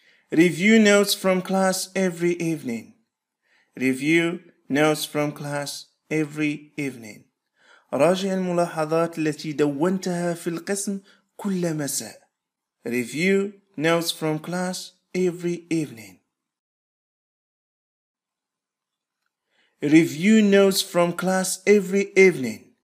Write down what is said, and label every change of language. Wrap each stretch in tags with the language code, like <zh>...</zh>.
<en>Review notes from class every evening. Review notes from class every evening.</en> <ar>راجع الملاحظات التي دونتها في القسم كل مساء.</ar> <en>Review notes from class every evening. Review notes from class every evening.</en>